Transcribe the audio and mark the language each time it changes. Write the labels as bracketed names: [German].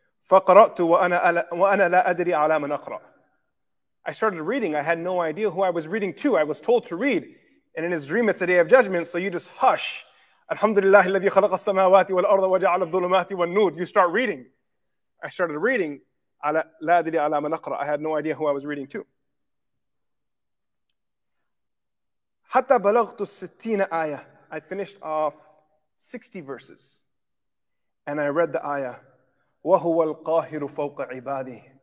[Arabic] فقرأت وأنا لا أدري على من أقرأ. [English] I started reading. I had no idea who I was reading to. I was told to read. And in his dream, it's a day of judgment. So you just hush. [Arabic] الحمد لله الذي خلق السماوات والأرض وجعل الظلمات والنور. [English] You start reading. I started reading. [Arabic] لا أدري على من أقرأ. [English] I had no idea who I was reading to. [Arabic] حتى بلغت 60 آية. [English] I finished off 60 verses. And I read the ayah. [Arabic] وَهُوَ الْقَاهِرُ فَوْقَ عِبَادِهِ.